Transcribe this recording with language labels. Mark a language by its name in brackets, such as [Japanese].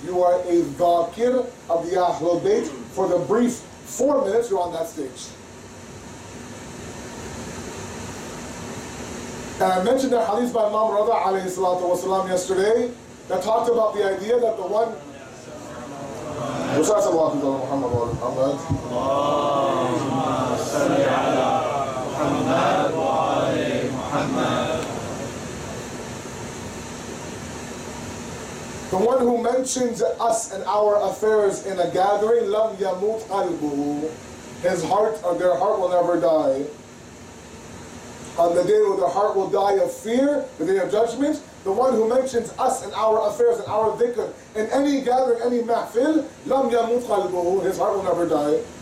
[English] You are a dhakir of the Ahlul Bayt for the brief 4 minutes you're on that stage. And I mentioned the hadith by Imam Radha alayhi salatu wasalam yesterday that talked about the idea that the one [Arabic] وصلى الله على محمد وعلى محمد اللهم صل على محمد وعلى محمد [English] The one who mentions us and our affairs in a gathering [Arabic] لم يموت قلبه [English] His heart or their heart will never die On the day where their heart will die of fear, the day of judgment, the one who mentions us and our affairs and our dhikr in any gathering, any mahfil, [Arabic] lam yamut qalbuhu, [English] his heart will never die.